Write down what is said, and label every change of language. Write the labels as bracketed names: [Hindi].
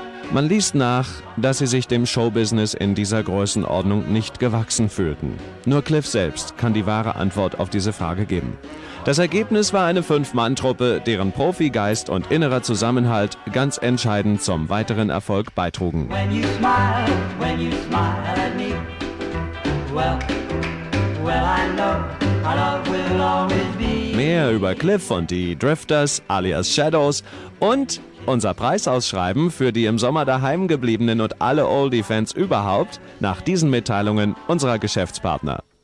[German] Man liest nach, dass sie sich dem Showbusiness in dieser Größenordnung nicht gewachsen fühlten. Nur Cliff selbst kann die wahre Antwort auf diese Frage geben. Das Ergebnis war eine 5-Mann-Truppe, deren Profigeist und innerer Zusammenhalt ganz entscheidend zum weiteren Erfolg beitrugen. [English] When you smile, at me, well, I know our love will always be. [German] Mehr über Cliff und die Drifters alias Shadows und unser Preisausschreiben für die im Sommer daheim gebliebenen und alle Oldie-Fans überhaupt nach diesen Mitteilungen unserer Geschäftspartner.